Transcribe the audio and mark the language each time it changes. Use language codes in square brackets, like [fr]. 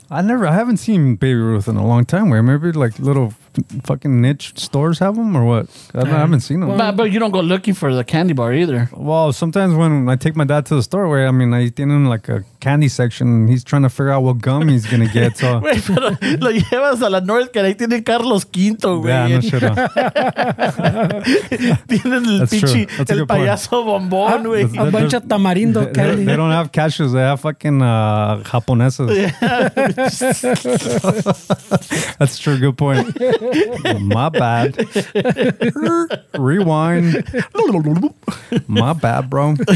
[en] I haven't seen Baby Ruth in a long time. Maybe like little... fucking niche stores have them or what? I haven't seen them. But you don't go looking for the candy bar either. Well, sometimes when I take my dad to the store, where I mean, I [es] tienen [en] like a candy section. He's trying to figure out what gum he's going to get. So. [es] Wey, pero lo llevas a la North, que ahí tiene Carlos Quinto, güey. [en] Yeah, no shit. [es] Tienen el pinche, el payaso bombón, güey. [en] A bunch of tamarindo candy. They don't have cashews. They have fucking japoneses. That's true. Good point. My bad. Rewind. My bad, bro.